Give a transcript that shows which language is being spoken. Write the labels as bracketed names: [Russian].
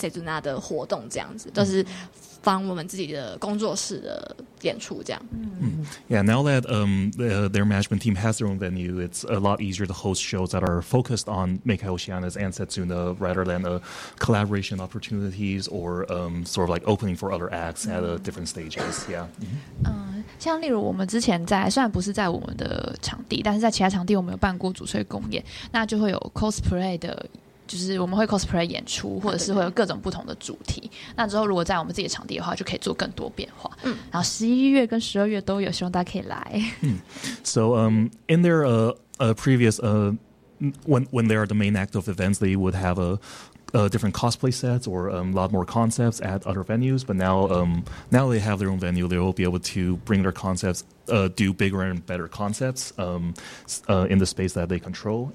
[Chinese] 有机会的话，应该会举办就是比较多我们自己跟Sezuna的活动这样子，就是。 [English] Yeah, now that their management team has their own venue, it's a lot easier to host shows that are focused on Mekhi Oceanus and Setsuna rather than collaboration opportunities or sort of like opening for other acts at different stages. Yeah. Mm-hmm. [Chinese] 像例如我们之前在，虽然不是在我们的场地，但是在其他场地我们有办过主催公演，那就会有 cosplay 的。就是我们会 cosplay 演出，或者是会有各种不同的主题。那之后如果在我们自己的场地的话，就可以做更多变化。嗯，然后十一月跟十二月都有，希望大家可以来。嗯， [English] So in their previous when they are the main act of events, they would have a different cosplay sets or a lot more concepts at other venues. But now they have their own venue, they will be able to bring their concepts, do bigger and better concepts in the space that they control.